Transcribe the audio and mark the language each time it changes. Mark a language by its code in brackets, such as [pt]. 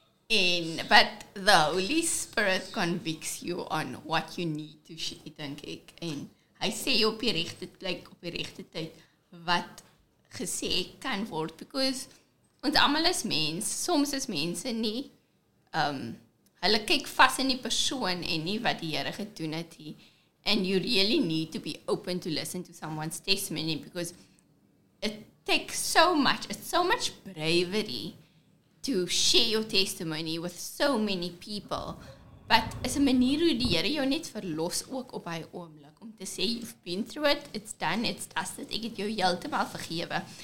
[en] En, but the Holy Spirit convicts you on what you need to share, [af] dink ek. En hy sê jou op die regte plek, op die regte tyd, wat gesê kan word, because ons allemaal is mens, soms is mense nie, hulle kyk vas in die persoon en nie wat die Here gedoen het nie. [en] And you really need to be open to listen to someone's testimony, because it takes so much, it's so much bravery to share your testimony with so many people. But it's a [af] manier hoe die Here jou net verlos ook op hy oomblik, om te sê, [en] you've been through it, it's done, it's dusted, [af] ek het jou heeltemal vergewe.